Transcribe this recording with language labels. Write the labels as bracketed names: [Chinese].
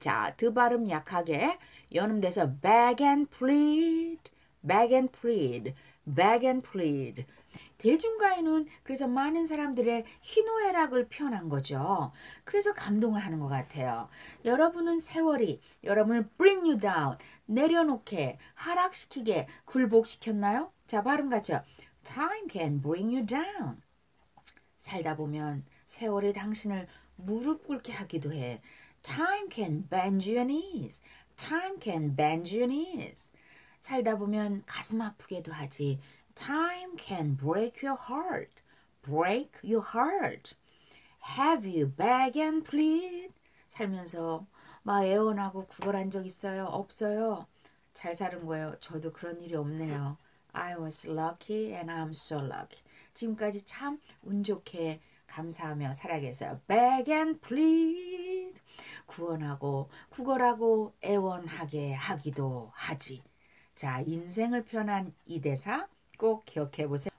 [Korean] 자, 드 발음 약하게 연음돼서 [English] beg and plead, beg and plead, beg and plead. [Korean] 대중가에는 그래서 많은 사람들의 희노애락을 표현한 거죠. 그래서 감동을 하는 것 같아요. 여러분은 세월이 여러분을 [English] bring you down, [Korean] 내려놓게, 하락시키게, 굴복시켰나요? [English] 자, 발음 같죠. Time can bring you down. [Korean] 살다 보면 세월이 당신을 무릎 꿇게 하기도 해. [English] Time can bend your knees. Time can bend your knees. [Korean] 살다 보면 가슴 아프기도 하지. [English] Time can break your heart. Break your heart. Have you beg and plead? [Korean] 살면서 막 애원하고 구걸한 적 있어요? 없어요? 잘 사는 거예요. 저도 그런 일이 없네요. [English] I was lucky and I'm so lucky. [Korean] 지금까지 참 운 좋게 감사하며 살아계세요. [English] Beg and plead. [Korean] 구원하고 구걸하고 애원하게 하기도 하지. 자, 인생을 표현한 이 대사 꼭 기억해 보세요.